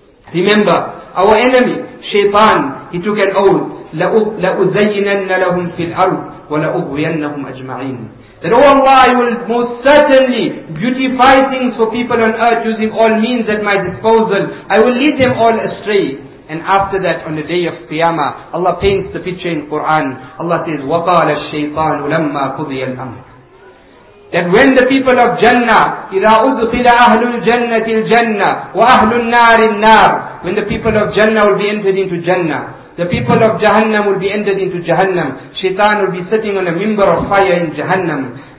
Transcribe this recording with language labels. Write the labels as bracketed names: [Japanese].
[English] Remember, our enemy, Shaytan, he took an oath, [Arabic] لَأُزَيِّنَنَّ لَهُمْ فِي الْأَرْضِ وَلَأُغْوِيَنَّهُمْ أَجْمَعِينَ. [English] That, oh Allah, I will most certainly beautify things for people on earth using all means at my disposal. I will lead them all astray. And after that, on the day of Qiyamah, Allah paints the picture in Quran. Allah says, [Arabic] وَقَالَ الشَّيْطَانُ لَمَّا قُضِيَ الْأَمْرِ. [English] That when the people of Jannah, [Arabic] إِذَا أُدْخِلَ أَهْلُ الْجَنَّةِ الْجَنَّةِ وَأَهْلُ النَّارِ النَّارِ. [English] When the people of Jannah will be entered into Jannah, the people of Jahannam will be entered into Jahannam. Shaitan will be sitting on a member of fire in Jahannam.